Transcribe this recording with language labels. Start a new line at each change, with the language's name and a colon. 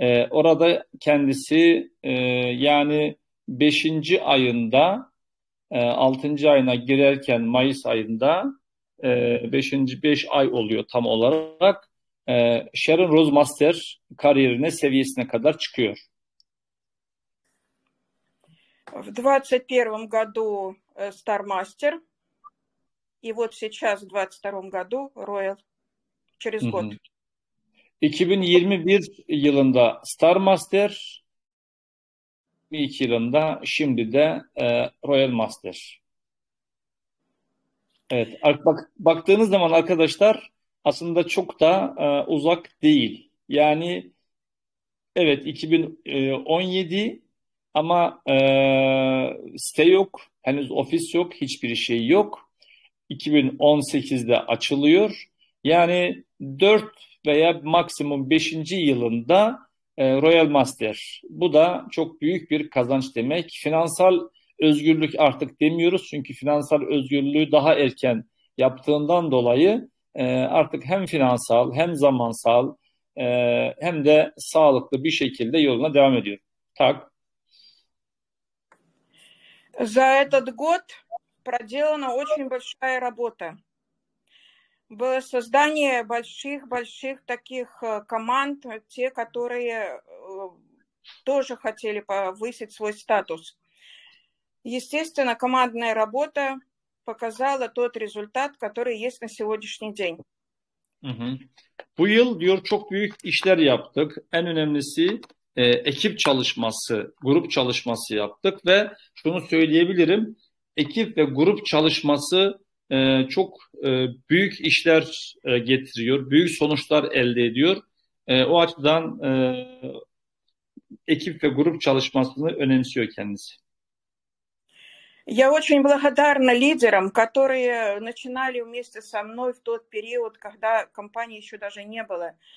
Turkish: Orada kendisi yani 5. ayında 6. ayına girerken Mayıs ayında 5 ay oluyor tam olarak Sharon Rose Master kariyerine seviyesine kadar çıkıyor.
Russian: В 21 году Star Master и вот сейчас в 22 году Royal через год.
Turkish: 2021 yılında Star Master, 2 yılında şimdi de Royal Master. Evet, baktığınız zaman arkadaşlar aslında çok da uzak değil. Yani Evet, 2017 ama site yok, henüz ofis yok, hiçbir şey yok. 2018'de açılıyor. Yani 4 veya maksimum 5. yılında Royal Master. Bu da çok büyük bir kazanç demek. Finansal özgürlük artık demiyoruz çünkü finansal özgürlüğü daha erken yaptığından dolayı artık hem finansal hem zamansal hem de sağlıklı bir şekilde yoluna devam ediyor.
Russian: Tak. За этот год проделана очень большая работа. Было создание больших-больших таких команд, те, которые тоже хотели повысить свой статус. Естественно, командная работа показала тот результат, который есть на сегодняшний день.
Turkish: Bu yıl diyor çok büyük işler yaptık. En önemlisi ekip çalışması, grup çalışması yaptık ve şunu söyleyebilirim. Ekip ve grup çalışması çok büyük işler getiriyor, büyük sonuçlar elde ediyor. O açıdan ekip ve grup çalışmasını önemsiyor kendisi.
Russian: Я очень благодарна лидерам, которые начинали вместе со мной в тот период, когда компании еще даже не было.